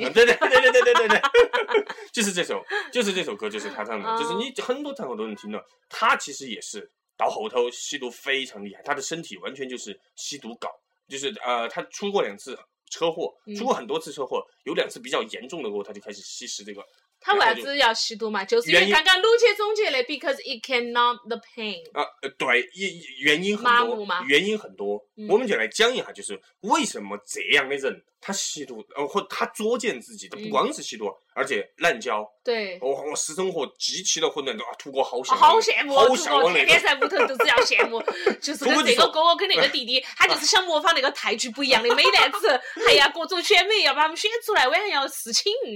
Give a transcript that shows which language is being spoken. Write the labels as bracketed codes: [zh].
[zh] 对对对对对对对对，就是这首，就是这首歌，就是他唱的，就是你很多场合都能听到。他其实也是。到后头吸毒非常厉害，他的身体完全就是吸毒搞，就是他出过两次车祸，出过很多次车祸，有两次比较严重的过后，他就开始吸食这个。他为啥子要吸毒嘛？就是因为刚刚陆杰总结的 [en] ，because it can numb the pain。 [zh] 对，原因很多，麻木吗？原因很多，我们就来讲一下，就是为什么这样的人他吸毒，或他作践自己，他不光是吸毒，而且滥交。对，我私生活极其的混乱，都图个好羡慕，好羡慕，好向往那个。天天在屋头都是要羡慕，就是跟这个哥哥跟那个弟弟，他就是想模仿那个泰剧不一样的美男子，还要各种选美，要把他们选出来，晚上要侍寝。